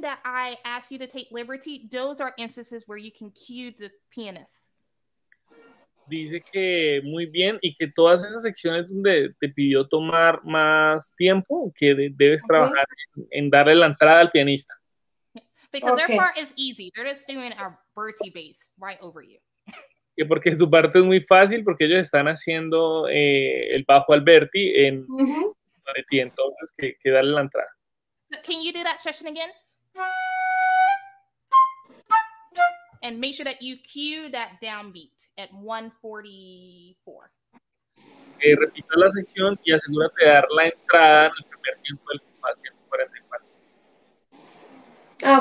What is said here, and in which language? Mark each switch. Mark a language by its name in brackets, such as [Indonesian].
[English] that I ask you to take liberty, those are instances where you can cue the pianist. [Spanish] Dice que muy bien y que todas esas secciones donde te pidió tomar más tiempo, que debes trabajar en darle la entrada al pianista. [English] Because their part is easy. They're just doing a Bertie bass right over you. [Spanish] Que porque su parte es muy fácil porque ellos están haciendo el bajo al Bertie en ti, entonces que darle la entrada. [English] Can you do that session again? And make sure that you cue that downbeat at 144. [Spanish] Repita la sección y asegúrate de dar la entrada en el primer tiempo del compás 144.